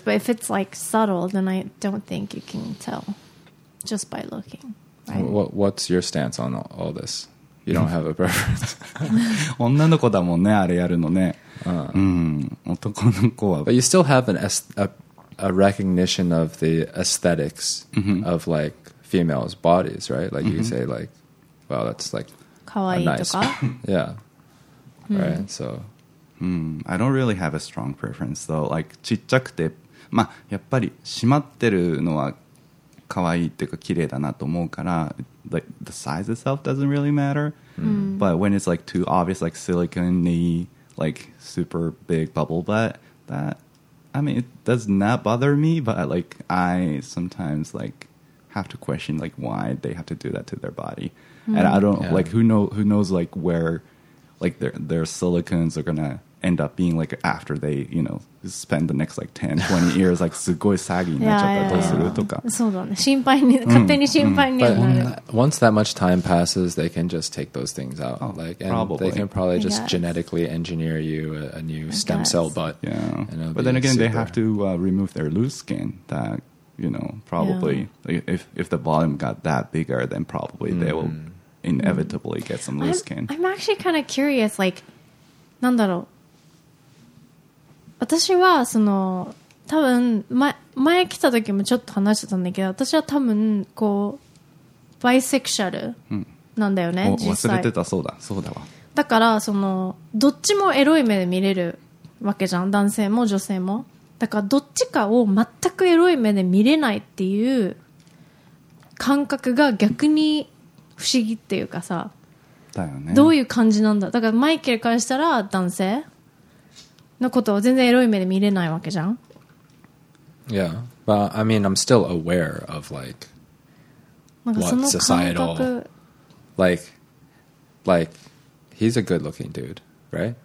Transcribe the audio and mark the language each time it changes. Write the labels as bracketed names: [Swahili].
[English] But if it's, like, subtle, then I don't think you can tell just by looking. What's your stance on all this? You don't have a preference. [Japanese] 女の子だもんね、あれやるのね。男の子は。 [English] But you still have a recognition of the aesthetics of like females' bodies, right? Like you say, like, well, that's like [Japanese] かわいいとか。 [English] Nice. Yeah. Right. So, I don't really have a strong preference though. [Japanese] Like, ちっちゃくて、まあやっぱり閉まってるのは。可愛いっていうか綺麗だなと思うから [English] like the size itself doesn't really matter but when it's like too obvious like silicone knee like super big bubble butt that I mean it does not bother me but like I sometimes like have to question like why they have to do that to their body and I don't like who knows like where like their silicones are gonna end up being like after they you know spend the next like 10-20 years like [Japanese] すごい saggy になっちゃったりするとかそうだね心配に勝手に心配になる [English] once that much time passes they can just take those things out like and probably. They can probably just genetically engineer you a new stem cell butt yeah but then again they have to remove their loose skin that you know probably if the volume got that bigger then probably they will inevitably get some loose skin I'm actually kind of curious like [Japanese] なんだろう私はその多分 前来た時もちょっと話してたんだけど私は多分こうバイセクシャルなんだよね、実際忘れてたそうだそうだわだからそのどっちもエロい目で見れるわけじゃん男性も女性もだからどっちかを全くエロい目で見れないっていう感覚が逆に不思議っていうかさだよ、ね、どういう感じなんだだからマイケルからしたら男性のことを全然エロい目で見れないわけじゃん。 [English] Yeah, but I mean, I'm still aware of like what societal, like he's a good-looking dude, right?